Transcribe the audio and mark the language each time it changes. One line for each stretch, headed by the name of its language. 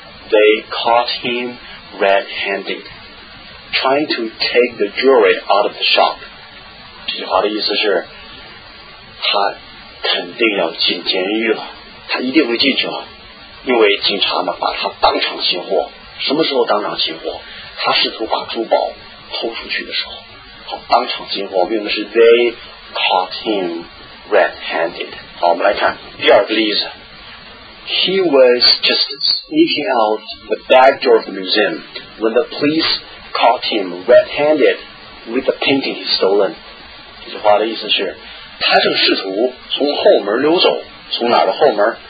English: They caught him red handed, trying to take the jewelry out of the shop。
Chinese: 这句话的意思是。他肯定要进监狱了，他一定会进去了，因为警察嘛，把他当场擒获。什么时候当场擒获？他试图把珠宝偷出去的时候。好，当场擒获用的是
English: they caught him red-handed。
Chinese: 好，我们来看第二个例子。
English: He was just sneaking out the back door of the museum when the police caught him red-handed with the painting he stolen。
Chinese: 这句话的意思是。他正试图从后门溜走，从哪的后门？